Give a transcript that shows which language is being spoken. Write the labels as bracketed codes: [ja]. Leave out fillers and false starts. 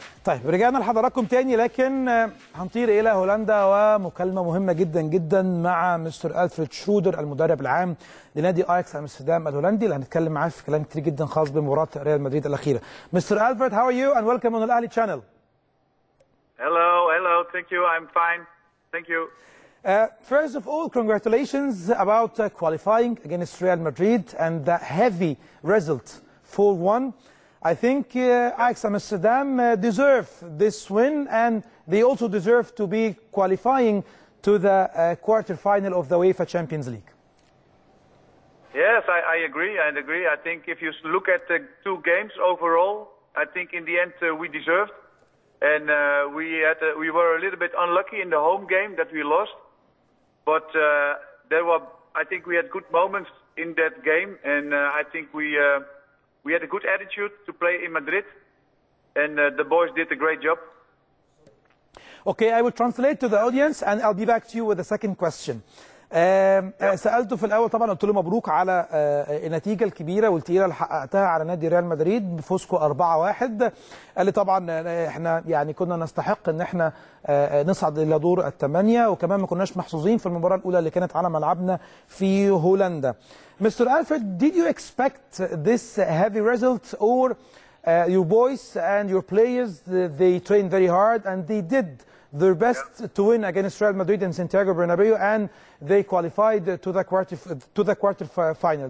[ar] طيب رجعنا لحضراتكم تاني، لكن هنطير الى هولندا ومكالمه مهمه جدا جدا مع مستر ألفريد شرودر المدرب العام لنادي اياكس امستردام الهولندي، اللي هنتكلم معاه في كلام كتير جدا خاص بمباراه ريال مدريد الاخيره. [en] Mister Alfred, how are you and welcome on الاهلي channel. Hello thank you, I'm fine thank you. First of all, congratulations about qualifying against Real Madrid and that heavy result, 4-1. I think Ajax Amsterdam deserve this win, and they also deserve to be qualifying to the quarterfinal of the UEFA Champions League. Yes, I agree. I think if you look at the two games overall, I think in the end we deserved. And we were a little bit unlucky in the home game that we lost. But I think we had good moments in that game, and I think we had a good attitude to play in Madrid, and the boys did a great job. Okay, I will translate to the audience, and I'll be back to you with the second question. [ar] سألته في الأول طبعا، قلت له مبروك على النتيجة الكبيرة والتقيلة اللي حققتها على نادي ريال مدريد بفوزكم 4-1. قال لي طبعا احنا يعني كنا نستحق ان احنا نصعد إلى دور الثمانية، وكمان ما كناش محظوظين في المباراة الأولى اللي كانت على ملعبنا في هولندا. [en] Mister Alfred, did you expect this heavy result, or your boys and your players they trained very hard and they did their best to win against Real Madrid in Santiago Bernabeu, and they qualified to the quarter final.